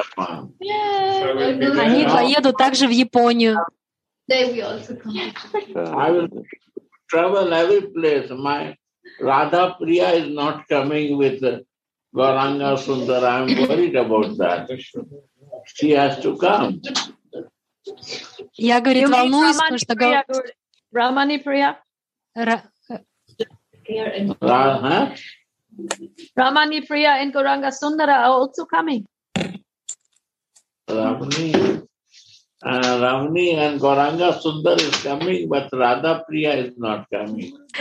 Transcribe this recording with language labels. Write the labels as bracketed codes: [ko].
[ru] Они поедут также в Японию. [en] I will travel every place. My Radha Priya is not coming with Gauranga Sundara. I'm worried about that. She has to come. [ru] Я говорю, волнуюсь, потому что Рамани Прия. Рамани Прия и Гауранга Сундара [en] are also coming. Рамани and Гауранга Сундара is coming, but Radha Priya is not coming.